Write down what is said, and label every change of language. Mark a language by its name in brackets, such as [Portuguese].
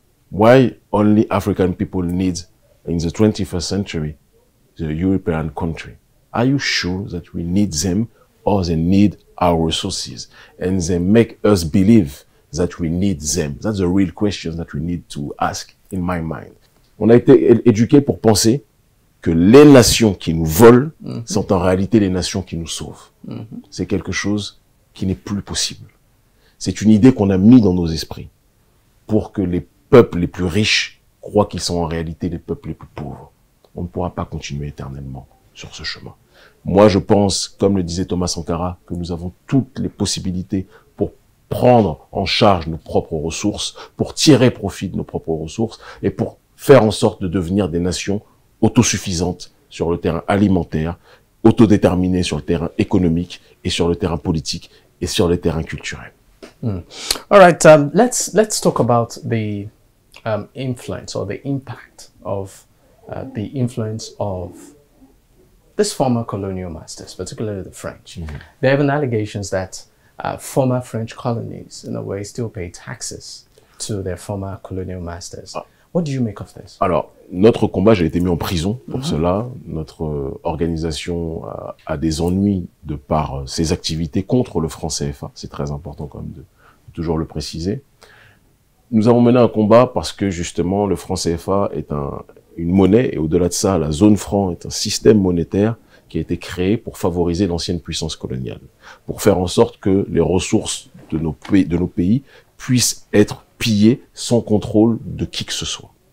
[English] Why only African people need, in the 21st century, the European country? Are you sure that we need them, or they need our resources? And they make us believe that we need them. That's the real question that we need to ask, in my mind. [French] On a été éduqué pour penser que les nations qui nous volent sont en réalité les nations qui nous sauvent. C'est quelque chose qui n'est plus possible. C'est une idée qu'on a mis dans nos esprits pour que les peuples les plus riches croient qu'ils sont en réalité les peuples les plus pauvres. On ne pourra pas continuer éternellement sur ce chemin. Moi, je pense, comme le disait Thomas Sankara, que nous avons toutes les possibilités pour prendre en charge nos propres ressources, pour tirer profit de nos propres ressources et pour faire en sorte de devenir des nations autosuffisantes sur le terrain alimentaire, autodéterminées sur le terrain économique et sur le terrain politique et sur le terrain culturel. [English] All right, let's talk about the influence or the impact of the influence of this former colonial masters, particularly the French. There have been allegations that former French colonies, in a way, still pay taxes to their former colonial masters. What do you make of this? [French] Alors, notre combat, j'ai été mis en prison pour cela. Notre organisation a des ennuis de par ses activités contre le franc CFA. C'est très important quand même de toujours le préciser. Nous avons mené un combat parce que justement, le franc CFA est une monnaie, et au-delà de ça, la zone franc est un système monétaire qui a été créé pour favoriser l'ancienne puissance coloniale, pour faire en sorte que les ressources de nos pays puissent être pillées sans contrôle de qui que ce soit.